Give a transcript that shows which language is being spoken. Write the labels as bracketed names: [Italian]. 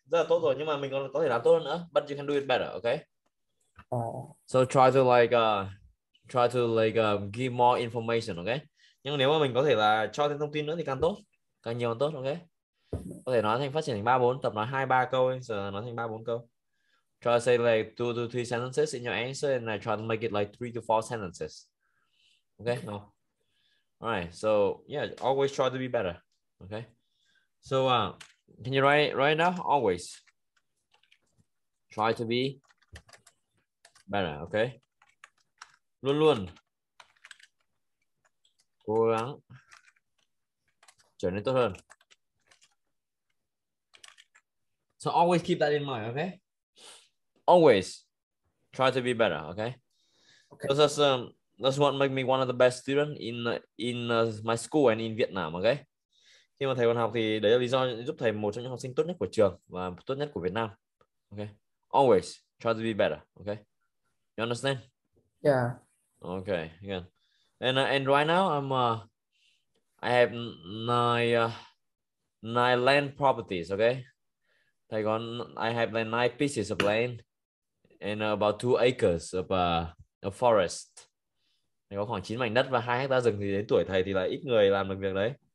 [Vietnamese] Rất là tốt rồi, nhưng mà mình còn có thể làm tốt hơn nữa. [English] But you can do it better, okay? So try to give more information, okay? [Vietnamese] Nhưng nếu mà mình có thể là cho thêm thông tin nữa thì càng tốt. Càng nhiều càng tốt, okay? Có thể nói thành phát triển thành 3-4, tập nói 2-3 câu, giờ nói thành 3-4 câu. [English] Try to say like 2-3 sentences in your answer and I try to make it like 3-4 sentences. Okay, no. All right, so yeah, always try to be better, okay? So can you write right now? Always try to be better, okay? [Vietnamese] Luôn luôn cố gắng trở nên tốt hơn. [English] So always keep that in mind, okay? Always try to be better, okay? Okay. So that's what make me one of the best student in my school and in Vietnam, okay? [Vietnamese] Khi mà thầy còn học thì đấy là lý do giúp thầy một trong những học sinh tốt nhất của trường và tốt nhất của Việt Nam. [English] Okay. Always try to be better, okay? You understand? Yeah. Okay, again. And right now I'm I have nine land properties, okay? [Vietnamese] Thầy còn [English] I have like 9 pieces of land and about 2 acres of a forest. [Vietnamese] Thầy có khoảng 9 mảnh đất và 2 hecta rừng thì đến tuổi thầy thì là ít người làm được việc đấy.